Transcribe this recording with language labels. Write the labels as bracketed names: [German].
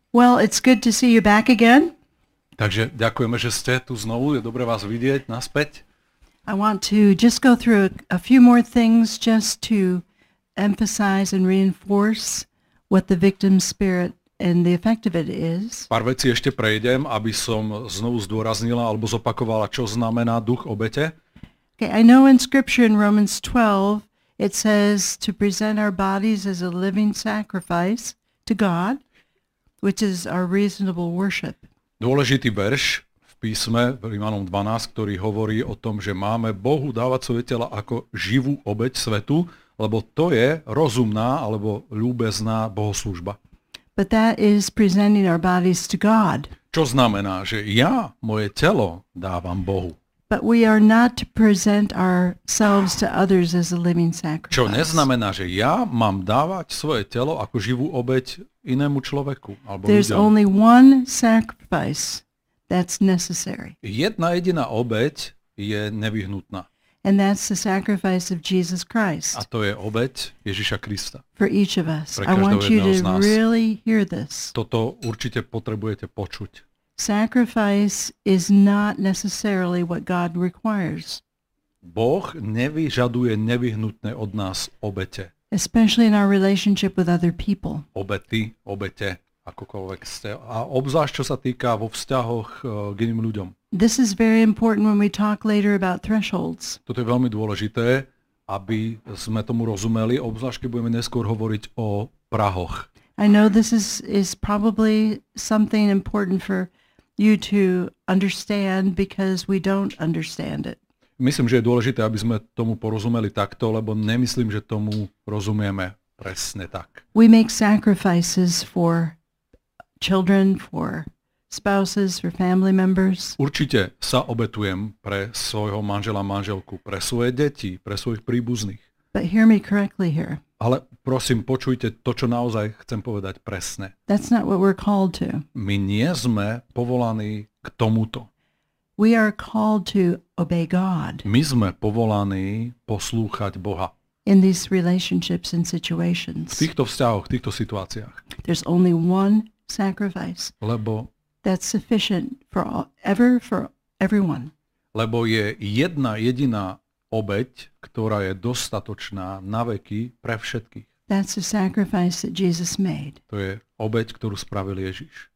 [English] Well, it's good to see you back again. [Slovak] Takže ďakujeme, že ste tu znovu. Je dobré vás vidieť naspäť. [English] I want to just go through a few more things just to emphasize and reinforce what the victim spirit and the effect of it is. [Slovak] Pár vecí ešte prejdem, aby som znovu zdôraznila alebo zopakovala, čo znamená duch obete. [English] Okay, I know in scripture in Romans 12 it says to present our bodies as a living sacrifice to God, which is our reasonable worship. [Slovak] Dôležitý verš v písme v Rimanom 12, ktorý hovorí o tom, že máme Bohu dávať svoje tela ako živú obeť svetu, lebo to je rozumná alebo ľúbezná bohoslúžba. [English] But that is presenting our bodies to God. [Slovak] Čo znamená, že ja moje telo dávam Bohu. [English] But we are not to present ourselves to others as a living sacrifice. [Slovak] Čo neznamená, že ja mám dávať svoje telo ako živú obeť inému človeku alebo [English] There's [Slovak] ľuďom. [English] Only one sacrifice that's necessary. [Slovak] Jedna jediná obeť je nevyhnutná. [English] And that's the sacrifice of Jesus Christ. [Slovak] A to je obeť Ježiša Krista. [English] For each of us. [Slovak] Pre každého jedného z nás. [English] I want you to really hear this. [Slovak] Toto určite potrebujete počuť. [English] Sacrifice is not necessarily what God requires. [Slovak] Boh nevyžaduje nevyhnutné od nás obete. [English] Especially in our relationship with other people. [Slovak] Obety, obete, akokoľvek ste. A obzvlášť, čo sa týka vo vzťahoch k iným ľuďom. [English] This is very important when we talk later about thresholds. [Slovak] Toto je veľmi dôležité, aby sme tomu rozumeli, obzvlášť, keď budeme neskôr hovoriť o prahoch. [English] I know this is probably something important for you to understand because we don't understand it. [Slovak] Myslím, že je dôležité, aby sme tomu porozumeli takto, lebo nemyslím, že tomu rozumieme presne tak. [English] We make sacrifices for children, for spouses, for family members. [Slovak] Určite sa obetujem pre svojho manžela, manželku, pre svoje deti, pre svojich príbuzných. [English] But hear me correctly here. [Slovak] Ale prosím, počujte to, čo naozaj chcem povedať presne. [English] That's not what we're called to. [Slovak] My nie sme povolaní k tomuto. [English] We are called to obey God. [Slovak] My sme povolaní poslúchať Boha. [English] In these relationships and situations. [Slovak] V týchto vzťahoch, v týchto situáciách. [English] There's only one sacrifice. [Slovak] Lebo [English] that's sufficient for all, ever for everyone. [Slovak] Lebo je jedna jediná obeť, ktorá je dostatočná na veky pre všetkých. [English] That's the sacrifice that Jesus made. [Slovak] To je obeť, ktorú spravil Ježiš.